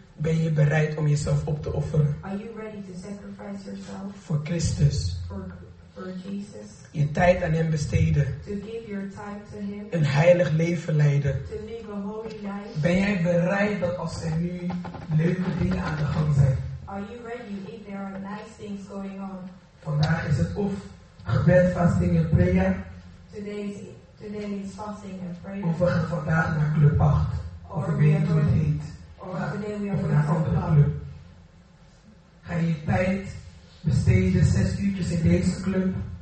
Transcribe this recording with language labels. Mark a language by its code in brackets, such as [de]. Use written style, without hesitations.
[nl] ben je bereid om jezelf op te offeren? [en] Are you ready to sacrifice yourself [nl] voor Christus? [en] For Jesus, [nl] je tijd aan hem besteden. [en] To give your time to him, [nl] een heilig leven leiden. [en] To live a holy life. [nl] Ben jij bereid dat als er nu leuke dingen aan de gang zijn? [en] Are you ready if there are nice things going on? [nl] Vandaag is het of gebed, fasting en prayer. [en] Today is fasting and prayer. [nl] Of we gaan vandaag naar Club 8. [en] Or [nl] of we weten hoe het heet. [en] Of today we are [nl] of naar een andere club. Ga je tijd besteden 6 uurtjes in deze club?